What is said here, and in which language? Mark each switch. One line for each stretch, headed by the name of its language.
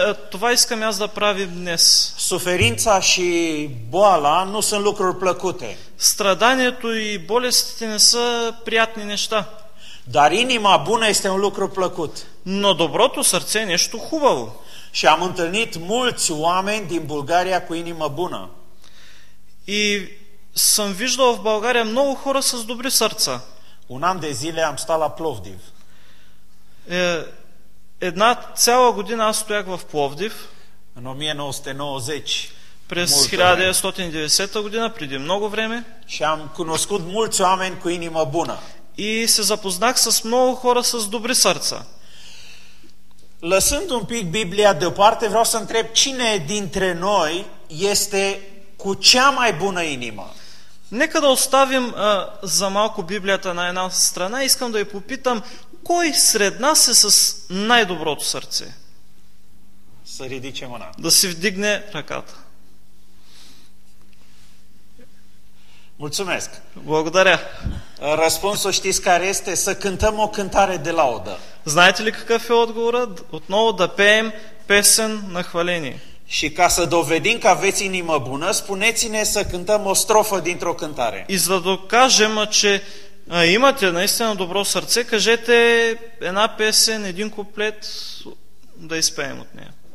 Bulgarian: Това искам аз да правим днес.
Romanian: Suferința și boala nu sunt lucruri plăcute.
Bulgarian: Страданието и болестите не са приятни неща.
Romanian: Dar inima bună este un lucru plăcut.
Bulgarian: Но доброто сърце е нещо хубаво.
Romanian: Și am întâlnit mulți oameni din Bulgaria cu inima bună.
Bulgarian: И съм виждал в България много хора с добри сърца.
Romanian: Un an de zile am stat la Plovdiv.
Bulgarian: Една цяла година аз стоях в Пловдив. Но 1990. През 1990 година, преди много време.
Romanian: Și am cunoscut mulți oameni cu inima bună.
Bulgarian: И се запознах с много хора с добри сърца.
Romanian: Lăsând un pic Biblia deoparte, vreau să întreb cine dintre noi este cu cea mai bună inimă.
Bulgarian: Нека да оставим за малко Библията на една страна. Искам да я попитам, кой сред нас е с най-доброто сърце?
Romanian: Să ridice mâna.
Bulgarian: Да си вдигне ръката.
Romanian: Mulțumesc.
Bulgarian: Благодаря.
Romanian: Răspunsul știți care este? Să cântăm o cântare de laudă.
Bulgarian: Знаете ли какъв е отговорът? Отново да пеем песен на хваление.
Romanian: Și ca să dovedim că aveți inimă bună, spuneți-ne să cântăm o strofă dintr-o cântare.
Bulgarian: И за да докажем, че имате наистина добро сърце, кажете една песен, един куплет, да изпеем от нея.